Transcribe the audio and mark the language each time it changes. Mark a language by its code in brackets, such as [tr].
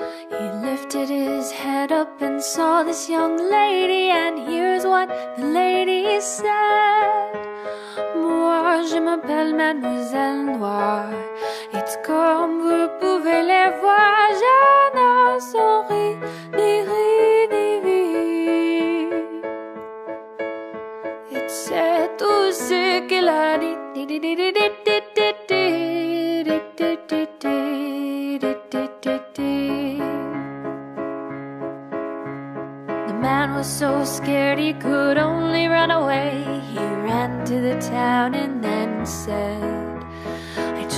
[en] He lifted his head up and saw this young lady, and here's what the lady said. [fr] Moi, je m'appelle Mademoiselle Noir. Et comme vous pouvez le voir, je ne souris ni ris ni vis. Et c'est tout ce qu'il a dit. [en] The man was so scared he could only run away. He ran to the town and then said, I just